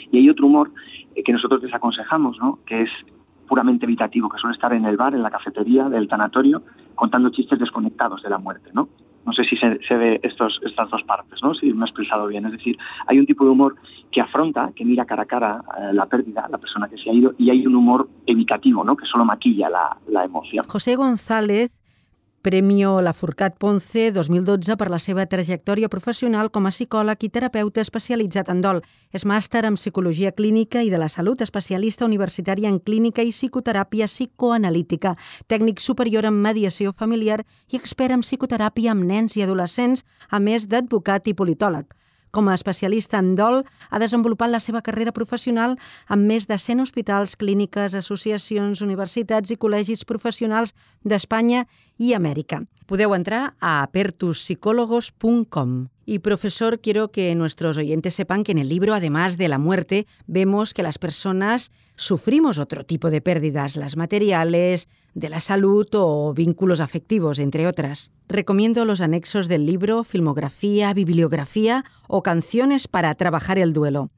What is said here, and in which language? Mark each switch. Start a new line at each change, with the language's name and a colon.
Spanish: Y hay otro humor que nosotros desaconsejamos, ¿no? Que es puramente evitativo, que suele estar en el bar, en la cafetería del tanatorio, contando chistes desconectados de la muerte, ¿no? No sé si se ve estas dos partes, ¿no? Si me he expresado bien. Es decir, hay un tipo de humor que afronta, que mira cara a cara la pérdida, la persona que se ha ido, y hay un humor evitativo, ¿no? Que solo maquilla la emoción.
Catalan: José González, Premio Lafourcade Ponce 2012 per la seva trajectòria professional com a psicòleg i terapeuta especialitzat en dol. És màster en psicologia clínica i de la salut, especialista universitària en clínica i psicoteràpia psicoanalítica, tècnic superior en mediació familiar i expert en psicoteràpia amb nens i adolescents, a més d'advocat i politòleg. Com a especialista en dol, ha desenvolupat la seva carrera professional en més de 100 hospitals, clíniques, associacions, universitats i col·legis professionals d'Espanya i Amèrica. Podeu entrar a apertuspsicologos.com.
Spanish: Y profesor, quiero que nuestros oyentes sepan que en el libro, además de la muerte, vemos que las personas sufrimos otro tipo de pérdidas, las materiales, de la salud o vínculos afectivos, entre otras. Recomiendo los anexos del libro, filmografía, bibliografía o canciones para trabajar el duelo.